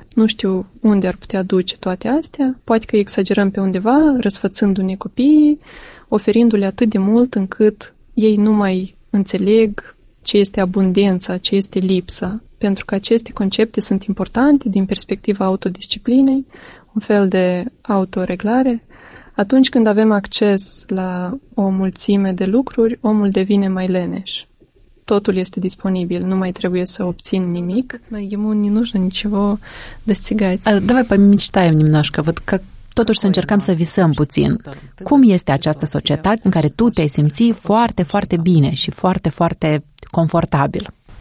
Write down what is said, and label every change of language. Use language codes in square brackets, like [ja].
[ro] nu știu unde ar putea duce toate astea, poate că exagerăm pe undeva, răsfățându-ne copiii, oferindu-le atât de mult încât ei nu mai înțeleg ce este abundența, ce este lipsa, pentru că aceste concepte sunt importante din perspectiva autodisciplinei, un fel de autoreglare. Atunci când avem acces la o mulțime de lucruri, omul devine mai leneș. Totul este disponibil, nu mai trebuie să obțin nimic. [ru] Ему не нужно ничего достигать. Давай помечтаем немножко. Вот как [ro] totuși să încercăm să visăm puțin. Cum este această societate în care tu te-ai simți foarte, foarte bine și foarte, foarte confortabil?